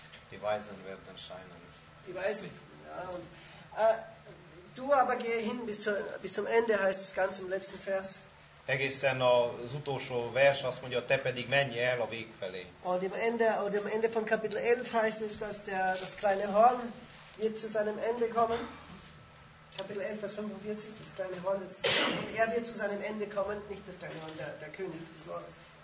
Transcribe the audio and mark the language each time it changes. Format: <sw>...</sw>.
<de>Die Weisen werden scheinen. Die Weisen, ja. Und, du aber geh hin bis zum Ende, heißt es ganz im letzten Vers.</de> <hu>Egészen az utolsó vers azt mondja, te pedig menj el a vég felé.</hu> <de>Und am Ende von Kapitel 11 heißt es, dass das kleine Horn wird zu seinem Ende kommen. Kapitel 11, Vers 45, das kleine Horn. Und er wird zu seinem Ende kommen, nicht das kleine Horn, der König des Wortes.</de>